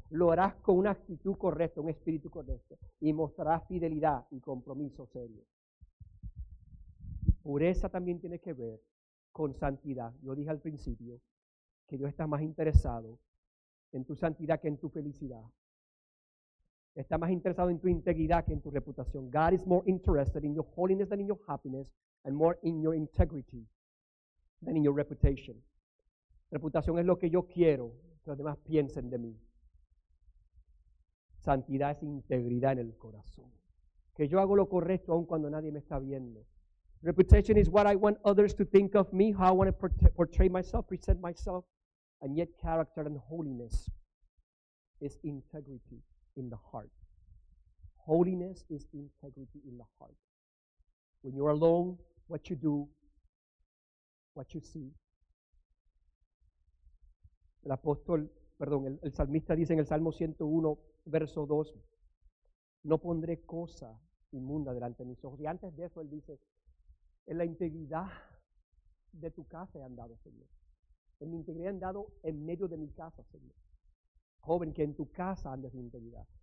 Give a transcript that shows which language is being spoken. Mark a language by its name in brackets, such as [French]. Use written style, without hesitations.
[Spanish] Lo harás con una actitud correcta, un espíritu correcto, y mostrarás fidelidad y compromiso serio. Pureza también tiene que ver con santidad. Yo dije al principio que Dios está más interesado en tu santidad que en tu felicidad. Está más interesado en tu integridad que en tu reputación. [English] God is more interested in your holiness than in your happiness and more in your integrity than in your reputation. [Spanish] Reputación es lo que yo quiero que los demás piensen de mí. Santidad es integridad en el corazón. Que yo hago lo correcto aun cuando nadie me está viendo. [English] Reputation is what I want others to think of me, how I want to portray myself, present myself, and yet character and holiness is integrity in the heart. Holiness is integrity in the heart. When you're alone, what you do, what you see. [Spanish] El salmista dice en el Salmo 101, verso 2, no pondré cosa inmunda delante de mis ojos. Y antes de eso, él dice, en la integridad de tu casa he andado, Señor. En mi integridad he andado en medio de mi casa, Señor. Joven, que en tu casa andes en integridad.